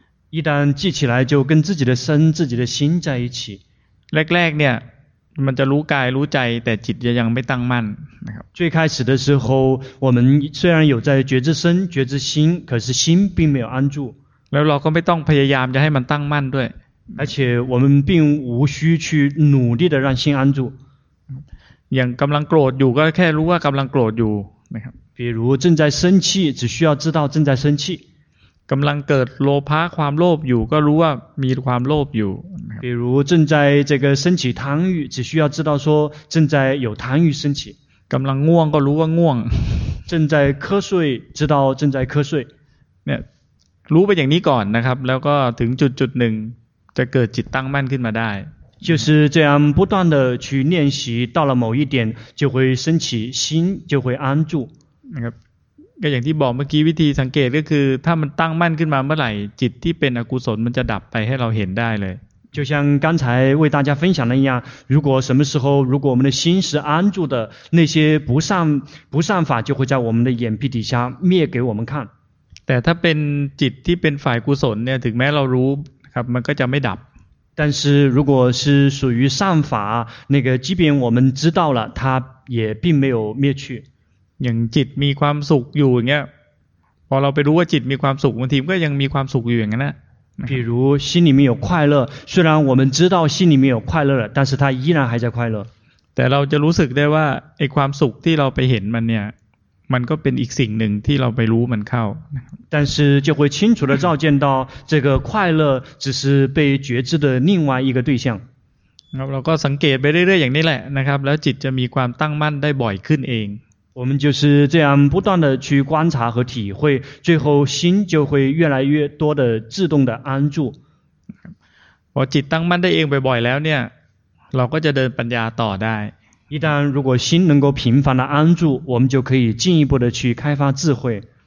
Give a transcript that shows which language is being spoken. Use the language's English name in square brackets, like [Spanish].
[Chinese] 一旦记起来就跟自己的身自己的心在一起 [Thai] แรกๆเนี่ยมันจะรู้กายรู้ใจแต่จิตยังไม่ตั้งมั่นนะครับ [Chinese] 最开始的时候我们虽然有在觉知身觉知心可是心并没有安住 [Thai] แล้วเราก็ไม่ต้องพยายามจะให้มันตั้งมั่นด้วย [Chinese] 而且我们并无需去努力的让心安住 [Thai] อย่างกำลังโกรธอยู่ก็แค่รู้ว่ากำลังโกรธอยู่นะครับ [Chinese] 比如正在生气只需要知道正在生气 [Thai] กำลังเกิดโลภะความโลภอยู่ก็รู้ว่ามีความโลภอยู่ [Chinese] 比如正在这个升起贪欲只需要知道说正在有贪欲升起 [Thai] กำลังง่วงก็รู้ว่าง่วง [Chinese] 正在瞌睡知道正在瞌睡 [Thai] เนี่ยรู้ไปอย่างนี้ก่อนนะครับแล้วก็ถึงจุดหนึ่งจะเกิดจิตตั้งมั่นขึ้นมาได้ [Chinese] 就是这样不断的去练习到了某一点就会升起心就会安住 [Thai] นะก็อย่างที่บอกเมื่อกี้วิธีสังเกตก็คือถ้ามันตั้งมั่นขึ้นมาเมื่อไหร่จิตที่เป็นอกุศลมันจะดับไปให้เราเห็นได้เลย [Chinese] 就像刚才为大家分享的一样如果什么时候如果我们的心是安住的那些不善法就会在我们的眼皮底下灭给我们看 [Thai] แต่ถ้าเป็นจิตที่เป็นฝ่ายกุศลเนี่ยถึงแม้เรารู้ครับมันก็จะไม่ดับ [Chinese] 但是如果是属于善法那个即便我们知道了它也并没有灭去 [Thai] อย่างจิตมีความสุขอยู่อย่างเงี้ยพอเราไปรู้ว่าจิตมีความสุขบางทีก็ยังมีความสุขอยู่อย่างนั้นนะ [Chinese] 比如心里面有快乐虽然我们知道心里面有快乐了但是它依然还在快乐 [Thai] แต่เราจะรู้สึกได้ว่าไอ้ความสุขที่เราไปเห็นมันเนี่ยมันก็เป็นอีกสิ่งหนึ่งที่เราไปรู้มันเข้า [Chinese] 但是就会清楚的照见到这个快乐只是被觉知的另外一个对象 [Thai] เราก็สังเกตไปเรื่อยๆอย่างนี้แหละนะครับแล้วจิตจะมีความตั้งมั่นได้บ่อยขึ้นเอง [Chinese] 我们就是这样不断的去观察和体会最后心就会越来越多的自动的安住 [Thai] พอจิตตั้งมั่นได้เองบ่อยๆแล้วเนี่ยเราก็จะเดินปัญญาต่อได้ [Chinese] 一旦如果心能够频繁的安住，我们就可以进一步的去开发智慧。